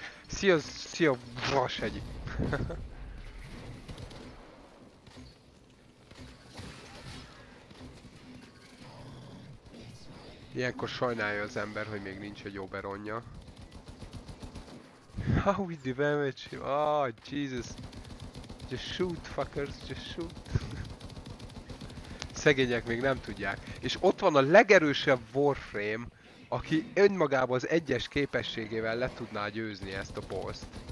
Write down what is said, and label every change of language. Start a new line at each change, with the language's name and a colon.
Hungarian: Szia, vas egy! Ilyenkor sajnálja az ember, hogy még nincs egy jó beronja.
English: How is the damage? Oh, Jesus! Just shoot, fuckers, just shoot!
Hungarian: Szegények még nem tudják. És ott van a legerősebb Warframe, aki önmagában az egyes képességével le tudná győzni ezt a boss-t.